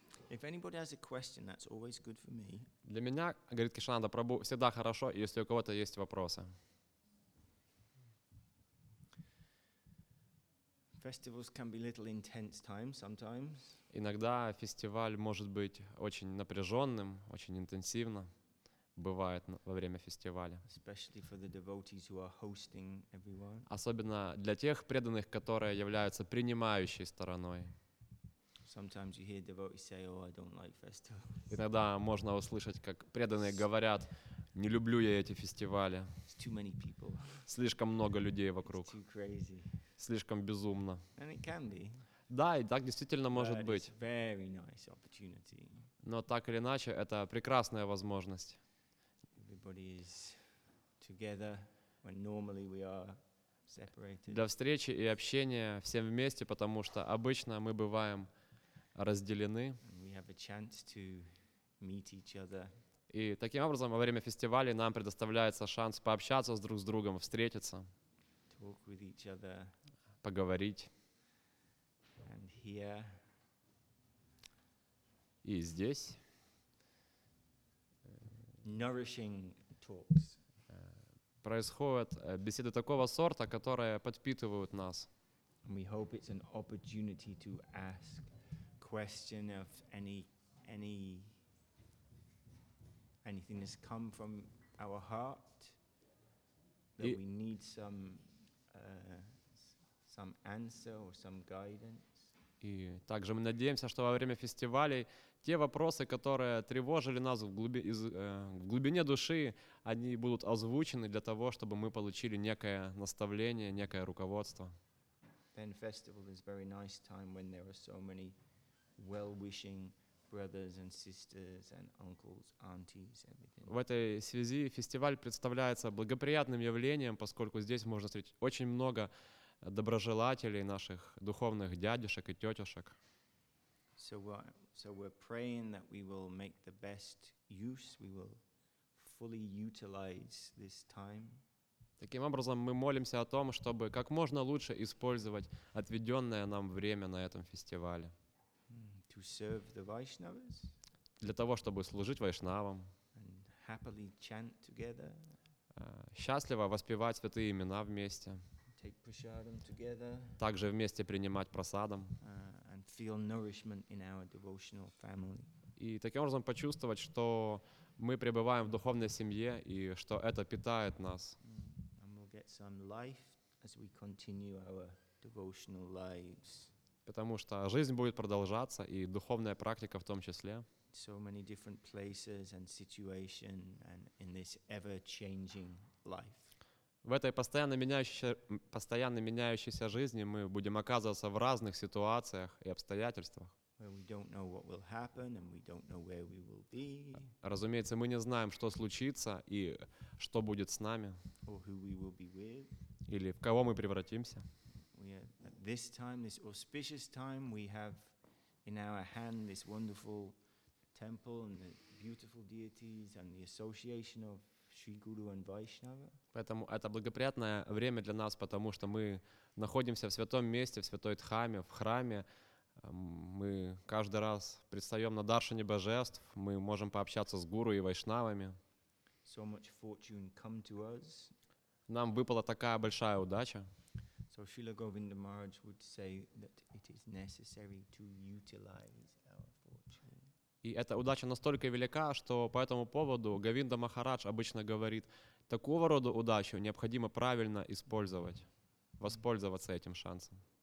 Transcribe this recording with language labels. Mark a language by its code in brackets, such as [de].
[en] If anybody has a question, that's always good for me. [ru] Для меня, говорит Кришнананда Прабху, всегда хорошо, если у кого-то есть вопросы. [en] Festivals can be a little intense time sometimes. [ru] Иногда фестиваль может быть очень напряженным, очень интенсивно бывает во время фестиваля. [en] Especially for the devotees who are hosting everyone. [ru] Особенно для тех преданных, которые являются принимающей стороной. [en] Sometimes you hear devotees say, "Oh, I don't like festivals." [ru] Иногда можно услышать, как преданные говорят: "Не люблю я эти фестивали." [en] It's too many people. [ru] Слишком много людей вокруг. [en] It's too crazy. [ru] Слишком безумно. [en] And it can be. [ru] Да, и так действительно может быть. [en] Very nice opportunity. [ru] Но так или иначе, это прекрасная возможность. [en] Everybody is together when normally we are separated. [ru] Для встречи и общения всем вместе, потому что обычно мы бываем разделены. [en] And we have a chance to meet each other. [ru] И таким образом, во время фестиваля нам предоставляется шанс пообщаться с друг с другом, встретиться. [en] Talk with each other. [ru] Поговорить. [en] And here. [ru] И здесь. [en] Nourishing talks. [ru] Происходят беседы такого сорта, которые подпитывают нас. [en] And we hope it's an opportunity to ask question of any anything that's come from our heart that we need some. Some answer or some guidance. [ru] И также мы надеемся, что во время фестивалей те вопросы, которые тревожили нас в глубине души, они будут озвучены для того, чтобы мы получили некое наставление, некое руководство. [en] Then festival is very nice time when there are so many well-wishing brothers and sisters and uncles, aunties, everything. [ru] В этой связи фестиваль представляется благоприятным явлением, поскольку здесь можно встретить очень много доброжелателей, наших духовных дядюшек и тетюшек. [en] So we're praying that we will make the best use, we will fully utilize this time. [ru] Таким образом, мы молимся о том, чтобы как можно лучше использовать отведенное нам время на этом фестивале. [en] To serve the Vaishnavas. [ru] Для того, чтобы служить вайшнавам. [en] And happily chant together. [ru] Счастливо воспевать святые имена вместе. [en] Take prasadam together. [ru] Также вместе принимать прасадам. [en] And feel nourishment in our devotional family. [ru] И таким образом почувствовать, что мы пребываем в духовной семье и что это питает нас. [en] And we'll get some life as we continue our devotional lives. [ru] Потому что жизнь будет продолжаться и духовная практика в том числе. [en] So many different places and situation and in this ever-changing life. [ru] В этой постоянно меняющейся жизни мы будем оказываться в разных ситуациях и обстоятельствах. [en] Where we don't know what will happen and we don't know where we will be. [ru] Разумеется, мы не знаем, что случится и что будет с нами. [en] Or who we will be with. [ru] Или в кого мы превратимся. [en] We are, at this time, this auspicious time, we have in our hand this wonderful temple and the beautiful deities and the association of Sri Guru and Vaishnava. [ru] Поэтому это благоприятное время для нас, потому что мы находимся в святом месте, в святой дхаме, в храме. Мы каждый раз предстаем на даршане божеств, мы можем пообщаться с гуру и вайшнавами. [en] So much fortune come to us. [ru] Нам выпала такая большая удача. [en] So Srila Govinda Maharaj would say that it is necessary to utilize our fortune. [ru] И эта удача настолько велика, что по этому поводу Говинда Махарадж обычно говорит, такого рода удачу необходимо правильно использовать, воспользоваться этим шансом.